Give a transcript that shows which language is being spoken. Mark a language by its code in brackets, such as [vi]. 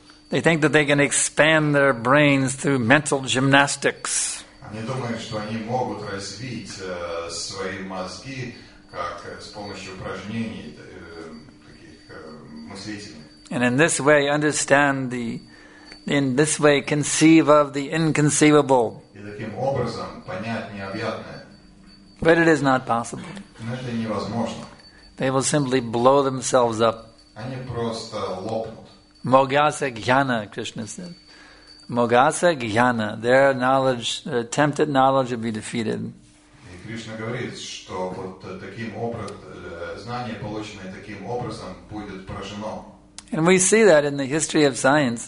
[en] they think that they can expand their brains through mental gymnastics. [ru] Они думают, что они могут развить свои мозги как с помощью упражнений таких мыслительных. [en] And in this way, understand in this way, conceive of the inconceivable. [ru] И таким образом понять необъятное. [en] But it is not possible. [ru] Но это невозможно. [en] They will simply blow themselves up. [ru] Они просто лопнут. [en] Mogasa Jnana, Krishna said. Mogasa Jnana, their knowledge, their attempted knowledge will be defeated. [ru] И Кришна говорит, что вот таким образом, знание, полученное таким образом, будет поражено. [en] And we see that in the history of science.